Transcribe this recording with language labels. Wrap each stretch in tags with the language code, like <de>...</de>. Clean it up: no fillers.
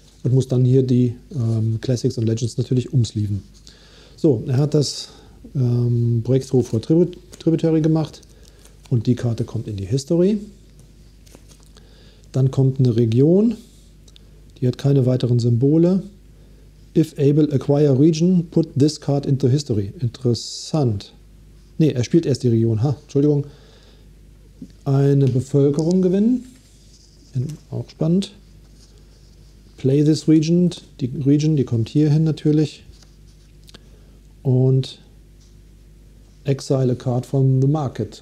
<de>Und muss dann hier die Classics und Legends natürlich umsleeven. So, er hat das Breakthrough for Tributary gemacht. Und die Karte kommt in die History. Dann kommt eine Region. Die hat keine weiteren Symbole.</de> <en>If able, acquire region, put this card into history.</en> <de>Interessant. Ne, er spielt erst die Region. Ha, Entschuldigung. Eine Bevölkerung gewinnen. Auch spannend.</de> <en>Play this region.</en> <de>Die Region, die kommt hier hin natürlich. Und</de> <en>exile a card from the market.</en>